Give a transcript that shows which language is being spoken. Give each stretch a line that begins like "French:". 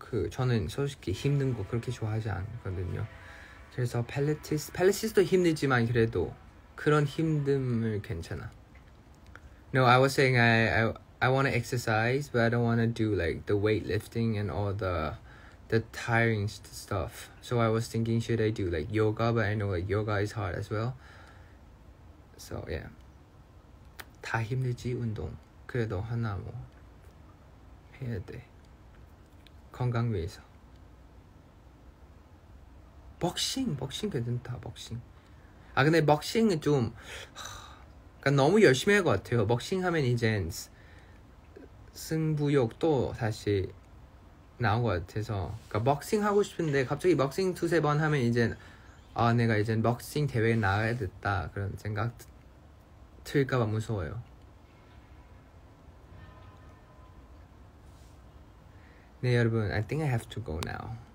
Korean: 저는 솔직히 힘든 거 그렇게 좋아하지 않거든요. 그래서 필라테스도 힘들지만 그래도 그런 힘듦을 괜찮아.
English: No, I was saying I want to exercise, but I don't want to do like the weightlifting and all the tiring stuff. So I was thinking, should I do like yoga? But I know like yoga is hard as well. So yeah.
Korean: 다 힘들지 운동. 그래도 하나 뭐 해야 돼. 건강 위해서. 복싱 괜찮다. 복싱. 아 근데 복싱은 좀 그러니까 너무 열심히 할 것 같아요. 복싱 하면 이제 승부욕도 다시 나온 것 같아서 그러니까 복싱 하고 싶은데 갑자기 복싱 두세 번 하면 이제 아 내가 이제 복싱 대회에 나가야 됐다 그런 생각 들까봐 무서워요. 네 여러분
English: I think I have to go now.